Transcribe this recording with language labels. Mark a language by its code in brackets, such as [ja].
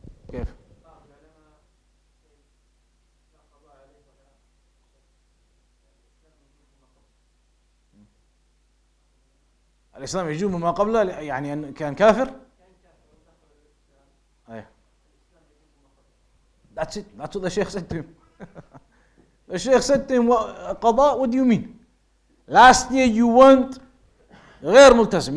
[ar] كيف؟ الإسلام يجوز مما قبله يعني كان كافر؟ أيه. [en] That's it. That's what the Sheikh said to him. The Sheikh said to him, Qada, what do you mean? Last year you weren't [ar] غير ملتزم.